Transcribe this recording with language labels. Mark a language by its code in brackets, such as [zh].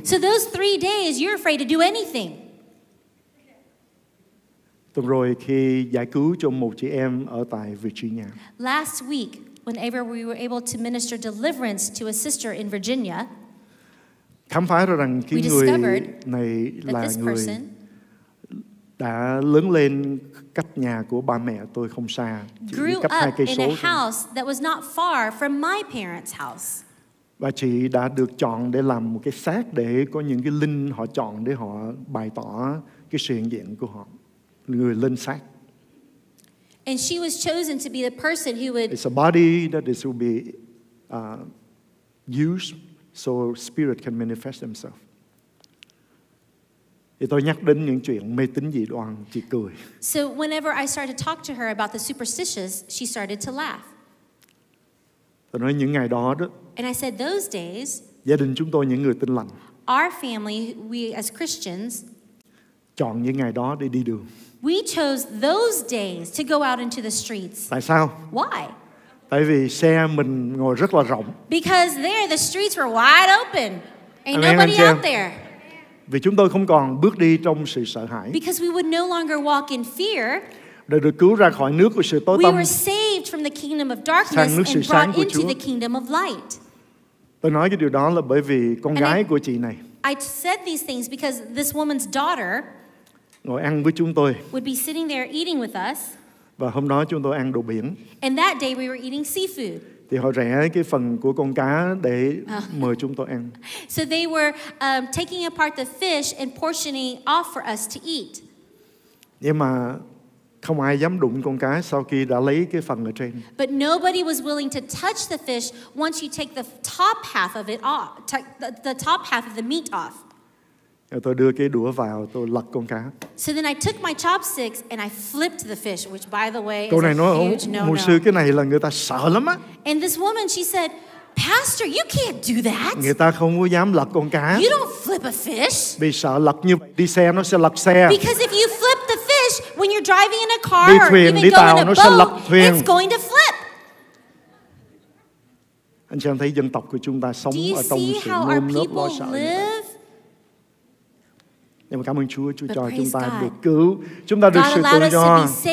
[en] So those 3 days, you're afraid to do anything. [vi] Tuần rồi khi giải cứu cho một chị em ở tại Virginia. [en] Last week, whenever we were able to minister deliverance to a sister in Virginia, [vi] khám phá ra rằng cái người này là người đã lớn lên cách nhà của ba mẹ tôi không xa, chỉ cách 2 cây số. [en] In a house that was not far from my parents' house. [vi] Và chị đã được chọn để làm một cái xác để có những cái linh họ chọn để họ bày tỏ cái sự hiện diện của họ, người lên xác. [en] And she was chosen to be the person who would. It's a body that is will be used so spirit can manifest himself. [vi] Thì tôi nhắc đến những chuyện mê tín dị đoan, chị cười. [en] So whenever I started to talk to her about the superstitious, she started to laugh. [vi] Tôi nói những ngày đó đó. [en] And I said those days. [vi] Gia đình chúng tôi những người tin lành. [en] Our family, we as Christians. [vi] Chọn những ngày đó để đi đường. [en] We chose those days to go out into the streets. [vi] Tại sao? [en] Why? [vi] Tại vì xe mình ngồi rất là rộng. [en] Because there the streets were wide open. Ain't nobody out there. [vi] Vì chúng tôi không còn bước đi trong sự sợ hãi. [en] Because we would no longer walk in fear. [vi] Để được cứu ra khỏi nước của sự tối tăm. [en] We were saved from the kingdom of darkness and brought into the kingdom of light. [vi] Tôi nói cái điều đó là bởi vì con gái của chị này. [en] I said these things because this woman's daughter [vi] ngồi ăn với chúng tôi. [en] Would be sitting there eating with us. [vi] Và hôm đó chúng tôi ăn đồ biển. [en] And that day we were eating seafood. [vi] Thì họ rẻ cái phần của con cá để mời chúng tôi ăn. [en] So they were taking apart the fish and portioning off for us to eat. [vi] Nhưng mà không ai dám đụng con cá sau khi đã lấy cái phần ở trên. [en] But nobody was willing to touch the fish once you take the top half of it off, the top half of the meat off. [vi] Tôi đưa cái đũa vào, tôi lật con cá. [en] So then I took my chopsticks and I flipped the fish, which by the way [vi] câu này [en] is a [vi] nói, [en] huge no-no. [vi] Mục sư, cái này là người ta sợ lắm á. [en] And this woman, she said, Pastor, you can't do that. [vi] Người ta không có dám lật con cá. [en] You don't flip a fish. [vi] Vì sợ lật như vậy, đi xe nó sẽ lật xe. [en] Because if you flip the fish when you're driving in a car [vi] đi thuyền, [en] or even going [vi] tàu, [en] in a boat, [vi] sẽ lật thuyền. [en] It's going to flip. [vi] Anh xem thấy dân tộc của chúng ta sống ở trong sự nơm nớp lo sợ. Em cảm ơn Chúa, Chúa cho chúng ta được cứu. Chúng ta được sự tự do.